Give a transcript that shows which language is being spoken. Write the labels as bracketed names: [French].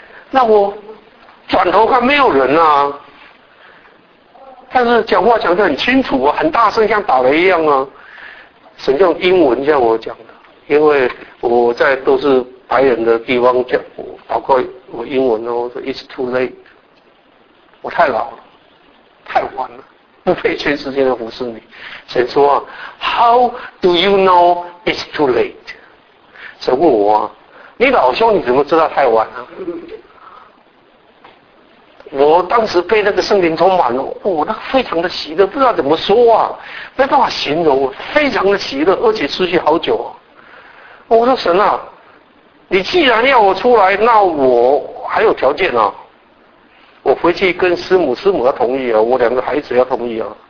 [Chinese] 那我转头看没有人啊，但是讲话讲得很清楚啊，很大声，像打雷一样啊。神用英文向我讲的，因为我在都是白人的地方讲，包括我英文哦，我说 [English] It's too late， [Chinese] 我太老了，太晚了。不配全世界的服侍你。神说 [English] How do you know it's too late？ [Chinese] 神问我，你老兄你怎么知道太晚了？我当时被那个圣灵充满了，我那非常的喜乐，不知道怎么说啊，没办法形容，非常的喜乐，而且持续好久啊。我说神啊，你既然要我出来，那我还有条件啊，我回去跟师母，师母要同意啊，我两个孩子要同意啊。